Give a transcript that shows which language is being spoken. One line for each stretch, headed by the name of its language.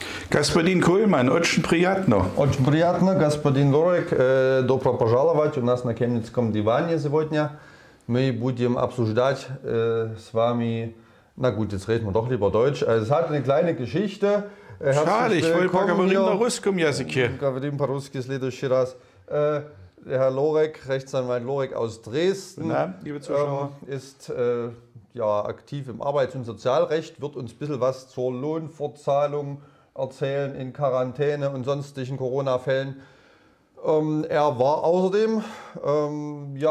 Russian: Господин Кульман, очень приятно. Очень приятно, господин Лорик. Добро пожаловать у нас на Кемницком диване сегодня. Мы будем обсуждать с вами...
German: Na gut, jetzt reden wir doch lieber Deutsch. Also, es hat eine kleine Geschichte. Schade, ich wollte
Russian: поговорить на русском языке. Говорим по-русски в следующий раз.
German: Herr Lorek, Rechtsanwalt Lorek aus Dresden, na, liebe Zuschauer. Ist ja, aktiv im Arbeits- und Sozialrecht, wird uns ein bisschen was zur Lohnfortzahlung erzählen in Quarantäne und sonstigen Corona-Fällen. Er war außerdem, ja,